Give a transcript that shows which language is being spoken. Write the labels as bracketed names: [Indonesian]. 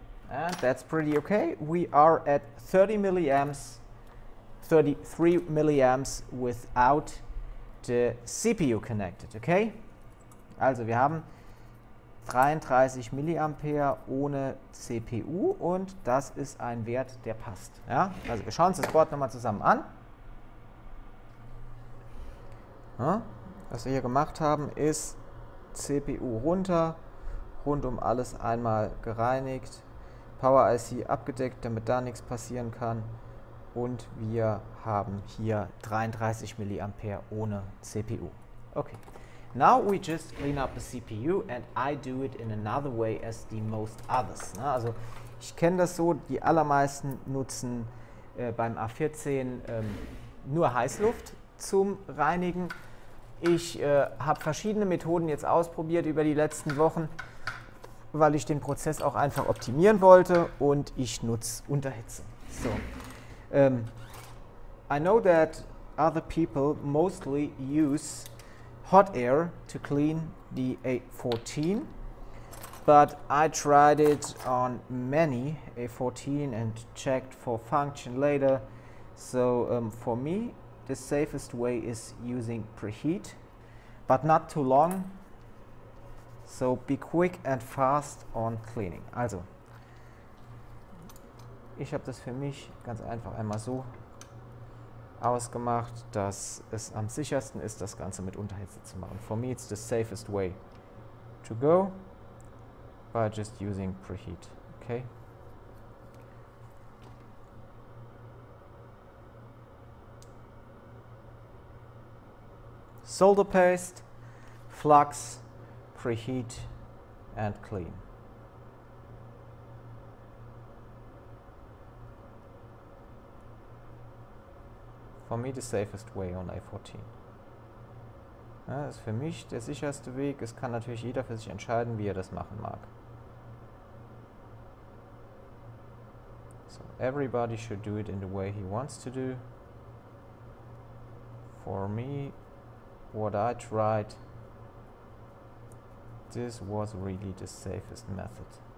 [English] And that's pretty okay. We are at 30 milliamps, 33 milliamps without the CPU connected, okay? [German] Also wir haben 33 Milliampere ohne CPU und das ist ein Wert, der passt. Ja? Also wir schauen uns das Board nochmal zusammen an. Ja? Was wir hier gemacht haben, ist CPU runter, rundum alles einmal gereinigt. Power IC abgedeckt, damit da nichts passieren kann. Und wir haben hier 33 mA ohne CPU. Okay. [English] Now we just clean up the CPU and I do it in another way as the most others. [German] Na, also ich kenne das so, die allermeisten nutzen beim A14 nur Heißluft zum Reinigen. Ich habe verschiedene Methoden jetzt ausprobiert über die letzten Wochen, weil ich den Prozess auch einfach optimieren wollte und ich nutze Unterhitze. [English] So, I know that other people mostly use hot air to clean the A14, but I tried it on many A14 and checked for function later. So for me, the safest way is using preheat, but not too long. So be quick and fast on cleaning. [German] Also, ich habe das für mich ganz einfach einmal so ausgemacht, dass es am sichersten ist, das Ganze mit Unterhitze zu machen. [English] For me it's the safest way to go by just using preheat. Okay. Solder paste, flux, preheat and clean. For me the safest way on A14. [German] Ja, das ist für mich der sicherste Weg. Es kann natürlich jeder für sich entscheiden, wie er das machen mag. [English] So, everybody should do it in the way he wants to do. For me, what I tried, this was really the safest method.